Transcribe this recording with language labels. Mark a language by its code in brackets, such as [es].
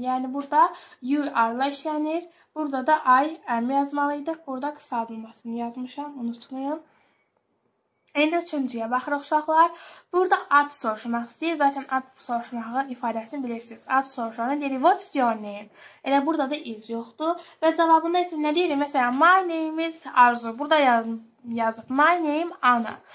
[az] Yəni, burada you are-la işlənir. Burada da I am yazmalıydıq. Burada qısaldılmasını yazmışam. Unutmayın. İndi üçüncüyə baxırıq uşaqlar. Burada ad soruşmaq istəyir. Zaten ad soruşmağın ifadəsini bilirsiniz. Ad soruşmağın deyir, [en] what is your name? [az] Elə burada da is yoxdur. Və cavabında isə nə deyirik? Məsələn, [en] my name is Arzu. [az] Burada yazıb my name Anna.